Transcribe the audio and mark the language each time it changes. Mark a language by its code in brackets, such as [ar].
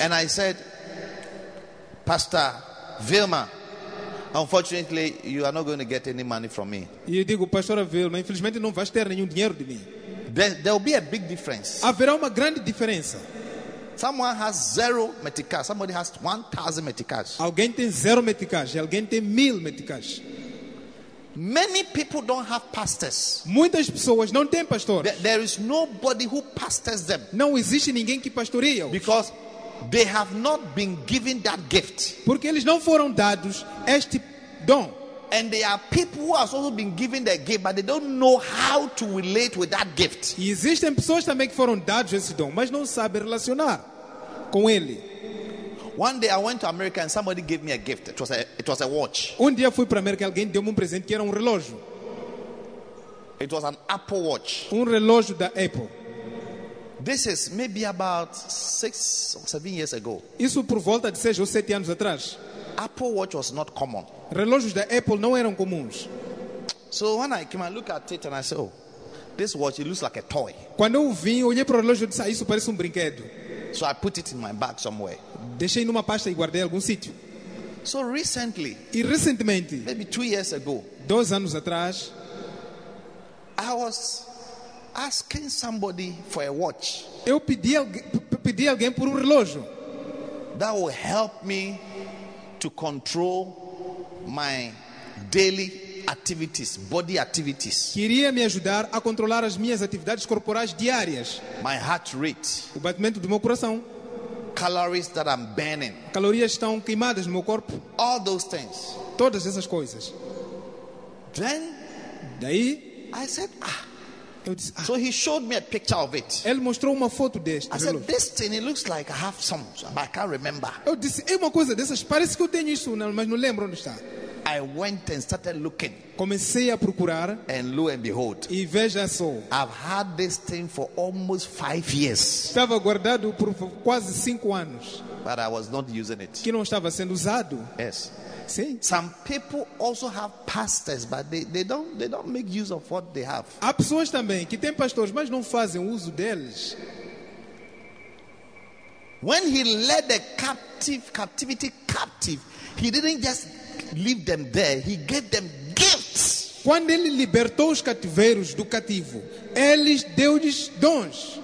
[en] And I said, Pastor Vilma, unfortunately, you are not going to get any money from me. [pt] Eu digo, Pastor Vilma, infelizmente não vais ter nenhum dinheiro de mim. [en] There will be a big difference. [pt] Haverá grande diferença. [en] Someone has 0 meticais. Somebody has 1,000 meticais. [pt] Alguém tem 0 meticais. Alguém tem 1,000 meticais. [en] Many people don't have pastors. [pt] Muitas pessoas não têm pastor. [en] There is nobody who pastors them. [pt] Não existe ninguém que pastoreia. [en] Because they have not been given that gift. [pt] Porque eles não foram dados este dom. [en] And there are people who have also been given the gift, but they don't know how to relate with that gift. [pt] E existem pessoas também que foram dados esse dom, mas não sabem relacionar com ele. [en] One day I went to America and somebody gave me a gift. It was a watch. [pt] Dia fui para América, alguém deu-me presente que era relógio. [en] It was an Apple watch. [pt] Relógio da Apple. [en] This is maybe about 6 or 7 years ago. [pt] Isso por volta de 6 ou 7 anos atrás. [en] Apple Watch was not common. [pt] Relógios da Apple não eram comuns. [en] So when I came and looked at it and I said, oh, this watch, it looks like a toy. [pt] Quando eu vim, olhei para o relógio e disse, isso parece brinquedo. [en] So I put it in my bag somewhere. [pt] Deixei numa pasta e guardei em algum sítio. [en] So recently, [pt] recentemente, [en] maybe 2 years ago, [pt] 2 anos atrás, [en] I was asking somebody for a watch. [pt] Eu pedi alguém por relógio. [en] That will help me to control my daily activities, body activities. [pt] Queria me ajudar a controlar as minhas atividades corporais diárias. [en] My heart rate. [pt] O batimento do meu coração. [en] Calories that I'm burning. [pt] Calorias estão queimadas no meu corpo. [en] All those things. [pt] Todas essas coisas. [en] Then, [pt] daí, [en] I said, ah. So he showed me a picture of it. [pt] Ele mostrou uma foto deste. [en] I said, this thing, it looks like I have some, but I can't remember. [pt] Eu disse, é uma coisa dessas, parece que eu tenho isso, mas não lembro onde está. [en] I went and started looking. [pt] Comecei a procurar. [en] And lo and behold. [pt] E veja só. [en] I've had this thing for almost 5 years. [pt] Estava guardado por quase 5 anos. [en] but I was not using it. [pt] Que não estava sendo usado. [en] Yes. [pt] Sim. [en] Some people also have pastors, but they don't make use of what they have. [pt] Há pessoas também que têm pastores, mas não fazem uso deles. [en] When he led the captivity captive, he didn't just leave them there, he gave them gifts. [pt] Quando ele libertou os cativeiros do cativo, ele deu-lhes dons.